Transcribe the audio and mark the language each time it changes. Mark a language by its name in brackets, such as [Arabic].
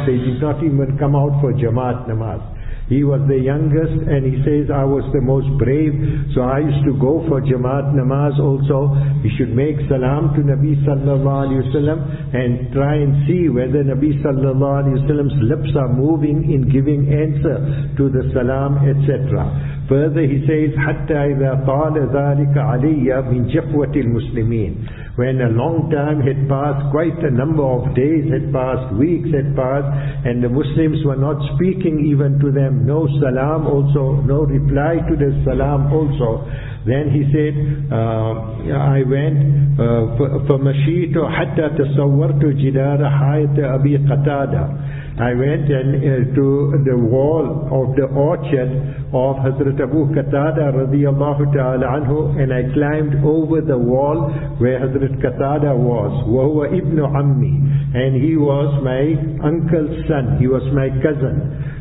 [English] They did not even come out for Jamaat Namaz. He was the youngest, and he says, I was the most brave, so I used to go for Jamaat Namaz also. He should make salam to Nabi sallallahu alayhi wasallam and try and see whether Nabi sallallahu alayhi wasallam's lips are moving in giving answer to the salam, etc. Further, he says, [Arabic] حَتَّى إِذَا طَالَ ذَٰلِكَ عَلِيَّ مِنْ جَفْوَةِ الْمُسْلِمِينَ. [English] When a long time had passed, quite a number of days had passed, weeks had passed, and the Muslims were not speaking even to them, no salam also, no reply to the salam also. Then he said, I went for [Arabic] مَشِيْتُ حَتَّى تَصَوَّرْتُ جِدَارَ حَيْتَ أَبِي قَتَادَ. [English] I went and to the wall of the orchard of Hazrat Abu Qatada radiyallahu ta'ala anhu, and I climbed over the wall where Hazrat Qatada was. [Arabic] Wa huwa ibn ammi, [English] and he was my uncle's son, he was my cousin.